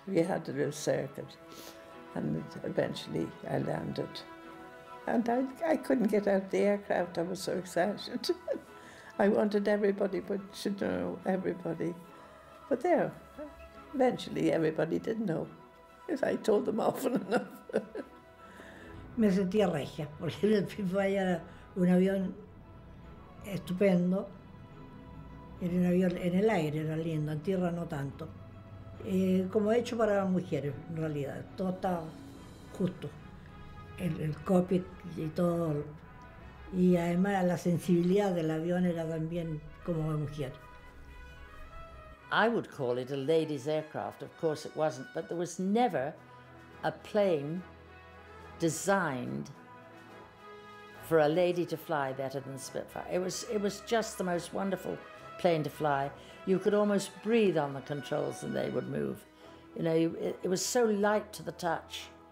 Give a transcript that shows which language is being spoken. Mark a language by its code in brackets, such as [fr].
[en] We had to do a circuit, and eventually I landed. And I couldn't get out of the aircraft, I was so excited. I wanted everybody to know, everybody. But there, eventually everybody did know, if I told them often enough. [es] Me sentía regia, porque el Spitfire era un avión estupendo, era un avión en el aire, era lindo, en tierra no tanto. Como hecho para mujeres, en realidad, todo está justo, el cockpit y todo. Y además la sensibilidad del avión era también como de mujer. [en] I would call it a ladies' aircraft, of course it wasn't, but there was never a plane designed for a lady to fly better than Spitfire. It was just the most wonderful plane to fly. You could almost breathe on the controls and they would move. You know, it was so light to the touch.